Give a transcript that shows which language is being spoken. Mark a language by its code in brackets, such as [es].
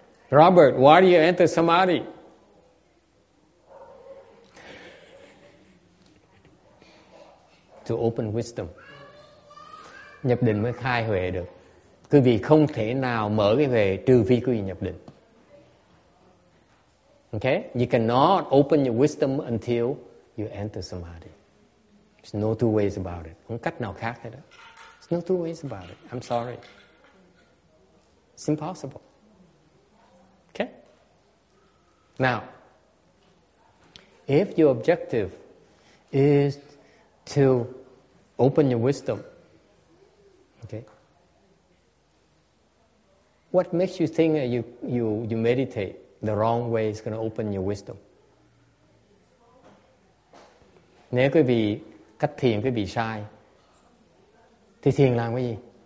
[en] Robert, why do you enter samadhi? To open wisdom. [vi] Nhập định mới khai huệ được. Quý vị không thể nào mở cái huệ trừ phi quý vị nhập định. [en] Okay? You cannot open your wisdom until you enter samadhi. There's no two ways about it. [vi] Không cách nào khác hết đó. [en] There's no two ways about it. I'm sorry. It's impossible. Okay? Now, if your objective is to open your wisdom, okay, what makes you think that you meditate the wrong way is going to open your wisdom? [vi] Nếu quý vị cách thiền quý vị sai, thì thiền làm cái gì?